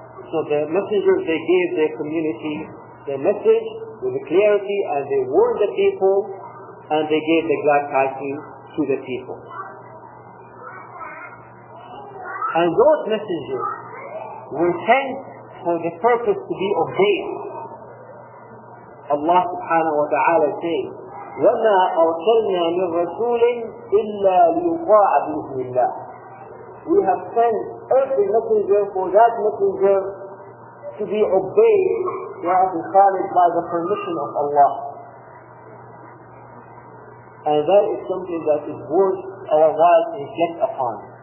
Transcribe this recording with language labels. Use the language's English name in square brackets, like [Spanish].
[English] So the messengers they gave their community the message with the clarity, and they warned the people, and they gave the glad tidings to the people. And those messages were sent for the purpose to be obeyed. Allah subhanahu wa ta'ala says, [Arabic] وَمَا أَرْسَلْنَا مِنْ رَسُولٍ إِلَّا لِيُطَاعَ بِإِذْنِ اللَّهِ. [English] We have sent every messenger for that messenger to be obeyed, Abu Khalid, by the permission of Allah. And that is something that is worth our while to reflect upon.